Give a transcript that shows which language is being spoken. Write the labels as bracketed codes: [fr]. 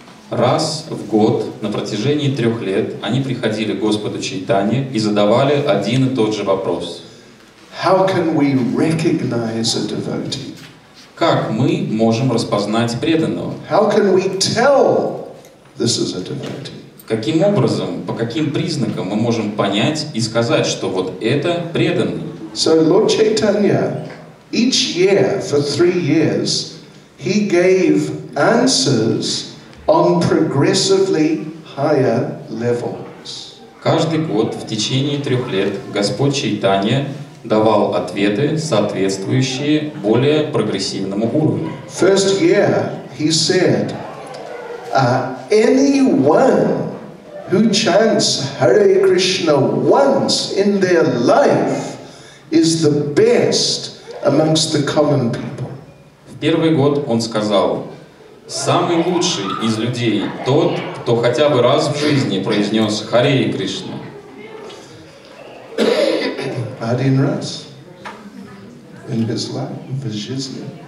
[ru] Раз в год, на протяжении 3 лет, они приходили к Господу Чайтанье и задавали один и тот же вопрос. [en] How can we recognize a devotee? [ru] Как мы можем распознать преданного? [en] How can we tell this is a devotee? [ru] Каким образом, по каким признакам мы можем понять и сказать, что вот это преданный? [en] So Lord Chaitanya, each year, for 3 years, he gave answers on progressively higher levels. [ru] Каждый год в течение трех лет Господь Чайтанья давал ответы, соответствующие более прогрессивному уровню. [en] First year he said, anyone who chants Hare Krishna once in their life is the best amongst the common people. [ru] В первый год он сказал: самый лучший из людей тот, кто хотя бы раз в жизни произнес Харе Кришна. Один раз в его жизни.